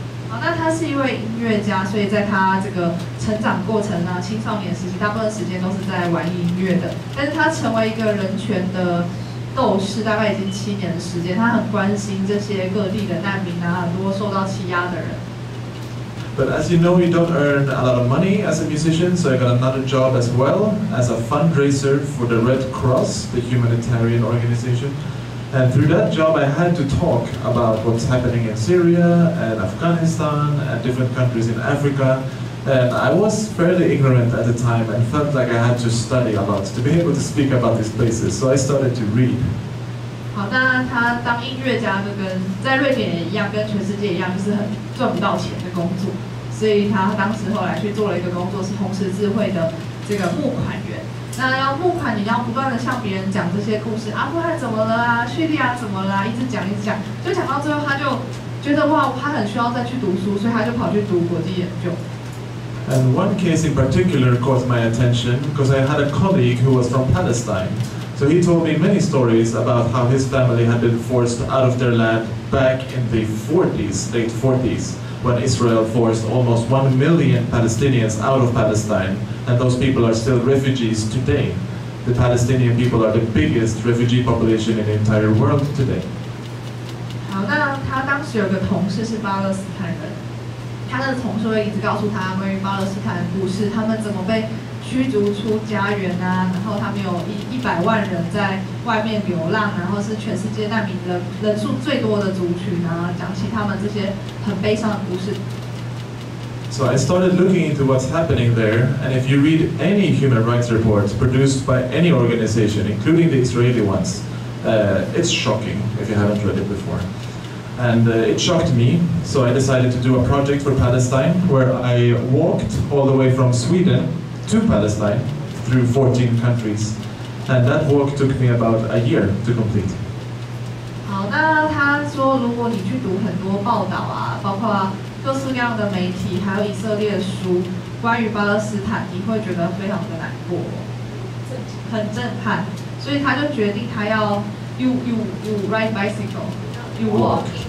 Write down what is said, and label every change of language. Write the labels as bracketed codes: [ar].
[zh] 好，那他是一位音乐家，所以在他这个成长过程啊，青少年时期，大部分时间都是在玩音乐的。但是他成为一个人权的斗士，大概已经7年的时间。他很关心这些各地的难民啊，很多受到欺压的人。 [en] But as you know, you don't earn a lot of money as a musician, so I got another job as well as a fundraiser for the Red Cross, the humanitarian organization. And through that job, I had to talk about what's happening in Syria and Afghanistan and different countries in Africa. And I was fairly ignorant at the time and felt like I had to study a lot to be able to speak about these places. So I started to read. [zh] 好，那他当音乐家就跟在瑞典也一样，跟全世界一样，就是很赚不到钱的工作。所以他当时后来去做了一个工作，是红十字会的这个募款员。那要募款，你要不断的向别人讲这些故事，阿富汗怎么了啊，叙利亚怎么了啊，一直讲一直讲，就讲到最后，他就觉得哇，他很需要再去读书，所以他就跑去读国际研究。 [en] And one case in particular caught my attention because I had a colleague who was from Palestine. So he told me many stories about how his family had been forced out of their land back in the 40s, late 40s, when Israel forced almost 1 million Palestinians out of Palestine, and those people are still refugees today. The Palestinian people are the biggest refugee population in the entire world today. [zh] 好，那他当时有个同事是巴勒斯坦人，他的同事会一直告诉他关于巴勒斯坦的故事，他们怎么被驱逐出家园啊，然后他们有100万人在外面流浪，然后是全世界难民人数最多的族群啊，讲起他们这些很悲伤的故事。 [en] So I started looking into what's happening there, and if you read any human rights reports produced by any organization, including the Israeli ones, it's shocking if you haven't read it before. And it shocked me, so I decided to do a project for Palestine where I walked all the way from Sweden to Palestine through 14 countries. And that walk took me about a year to complete. [zh] 好，那他说，如果你去读很多报道啊，包括各式各样的媒体，还有以色列书，关于巴勒斯坦，你会觉得非常的难过，很震撼。所以他就决定，他要 [en] you ride bicycle, you walk。